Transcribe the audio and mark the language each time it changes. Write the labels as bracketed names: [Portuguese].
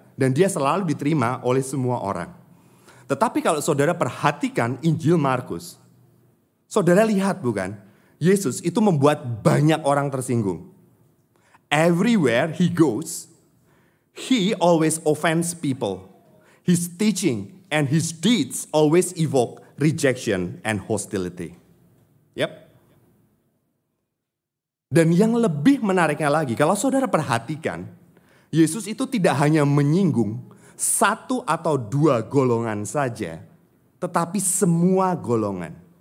[Indonesian] Dan dia selalu diterima oleh semua orang. Tetapi kalau saudara perhatikan Injil Markus, saudara lihat bukan? Yesus itu membuat banyak orang tersinggung. [English] Everywhere he goes, he always offends people. His teaching and his deeds always evoke rejection and hostility. Yep. [Indonesian] Dan yang lebih menariknya lagi, kalau saudara perhatikan, Yesus itu tidak hanya menyinggung satu atau dua golongan saja, tetapi semua golongan.